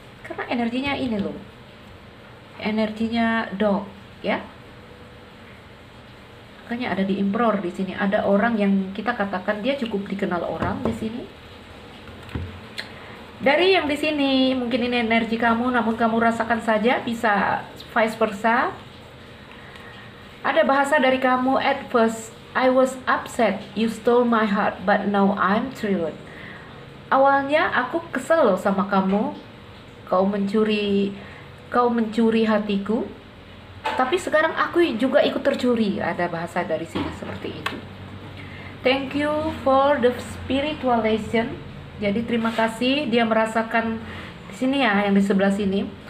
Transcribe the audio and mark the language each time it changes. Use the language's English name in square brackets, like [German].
[Indonesian] Karena energinya ini loh. Energinya dog, ya. Makanya ada di Emperor di sini, ada orang yang kita katakan dia cukup dikenal orang di sini. Dari yang di sini, mungkin ini energi kamu, namun kamu rasakan saja, bisa vice versa. Ada bahasa dari kamu, [English] at first I was upset you stole my heart, but now I'm thrilled. [Indonesian] Awalnya aku kesel loh sama kamu, kau mencuri hatiku. Tapi sekarang aku juga ikut tercuri, ada bahasa dari sini seperti itu. [English] Thank you for the spiritual lesson. [Indonesian] Jadi terima kasih, dia merasakan di sini ya, yang di sebelah sini.